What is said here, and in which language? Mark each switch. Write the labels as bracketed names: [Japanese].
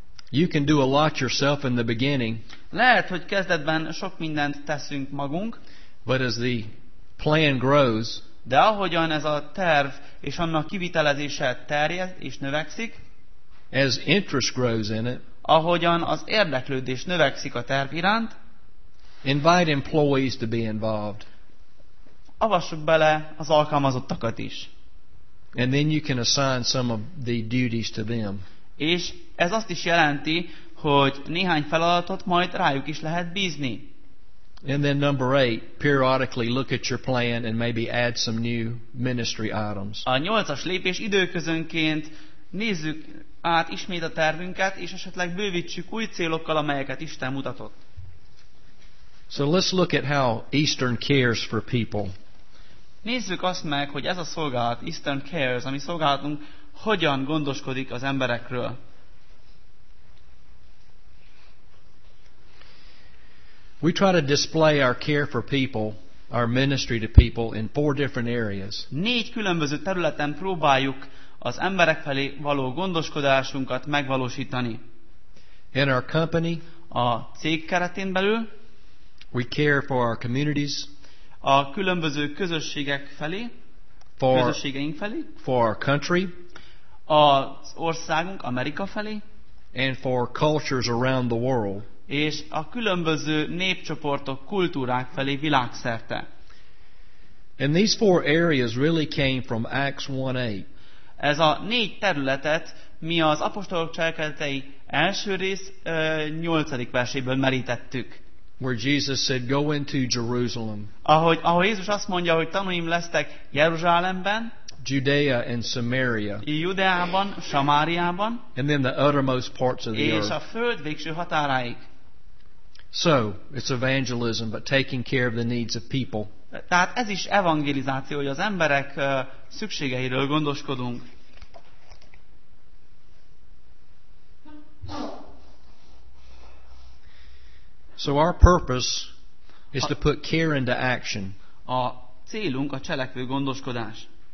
[English] You can do a lot yourself in the beginning. [Hungarian] Lehet, hogy kezdetben sok mindent teszünk magunk. [English] But as the plan grows, [Hungarian] de ahogyan ez a terv és annak kivitelezése terjed és növekszik, [English] as interest grows in it, [Hungarian] ahogyan az érdeklődés növekszik a terv iránt, [English] invite employees to be involved. [Hungarian] Avassuk bele az alkalmazottakat is. [English] And then you can assign some of the duties to them. [Hungarian] És ez azt is jelenti, hogy néhány feladatot majd rájuk is lehet bízni. [English] And then number 8, periodically look at your plan and maybe add some new ministry items. [Hungarian] A 8-as lépés, időközönként nézzük át ismét a tervünket, és esetleg bővítsük új célokkal, amelyeket Isten mutatott. [English] So let's look at how Eastern cares for people. [Hungarian] Nézzük azt meg, hogy ez a szolgálat, Eastern Cares, ami szolgálatunk, hogyan gondoskodik az emberekről. [English] We try to display our care for people, our ministry to people in four different areas. [Hungarian] Négy különböző területen próbáljuk az emberek felé való gondoskodásunkat megvalósítani. [English] In our company, [Hungarian] a cég keretén belül, [English] we care for our communities, [Hungarian] a különböző közösségek felé, közösségeink felé, [English] for our country, [Hungarian] az országunk Amerika felé, [English] and for cultures around the world, [Hungarian] és a különböző népcsoportok, kultúrák felé világszerte. [English] And these four areas really came from Acts 1:8. [Hungarian] Ez a négy területet mi az apostolok cselekedetei első rész 8. verséből merítettük. [English] Where Jesus said, "Go into Jerusalem." [Hungarian] Ahogy Jézus azt mondja, hogy tanúim lesztek Jeruzsálemben, [English] Judea and Samaria, [Hungarian] Judeában, Samáriában, [English] and then the uttermost parts of the earth. [Hungarian] És a föld végső határáig. [English] So it's evangelism, but taking care of the needs of people. [Hungarian] Tehát ez is evangelizáció, hogy az emberek szükségeiről gondoskodunk. [English] So our purpose is to put care into action. [Hungarian] A célunk a cselekvő gondoskodás.